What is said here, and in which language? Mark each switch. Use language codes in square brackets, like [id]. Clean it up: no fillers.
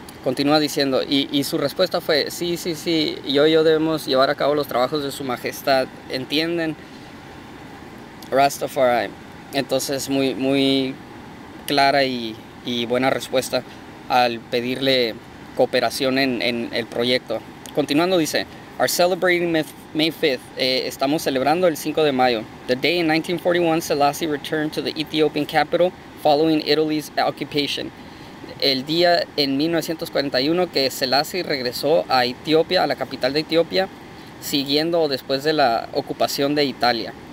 [es] Continúa diciendo, y su respuesta fue, sí, yo debemos llevar a cabo los trabajos de su majestad. ¿Entienden? Rastafari. Entonces, muy, muy clara y buena respuesta al pedirle cooperación en el proyecto. Continuando, dice, [en] are celebrating May 5th. [es] Estamos celebrando el 5 de mayo. [en] The day in 1941, Selassie returned to the Ethiopian capital following Italy's occupation. [es] El día en 1941 que Selassie regresó a Etiopía, a la capital de Etiopía, siguiendo o después de la ocupación de Italia.